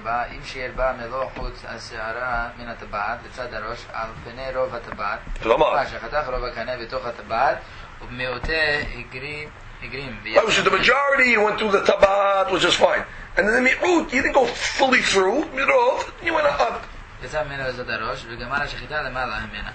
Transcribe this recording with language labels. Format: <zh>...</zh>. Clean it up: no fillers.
<he>אם שיער בא מלוא חוץ השערה מן הטבעת לצד הראש על פני רוב הטבעת שחתך רוב הקנה בתוך הטבעת ומאותה הגרים</he> <en>the majority went through the טבעת which is fine and then the מיעוט you didn't go fully through מרוב you went up</en> <he>יצא ממנו לצד הראש וגמר השחיטה למעלה ממנה</he>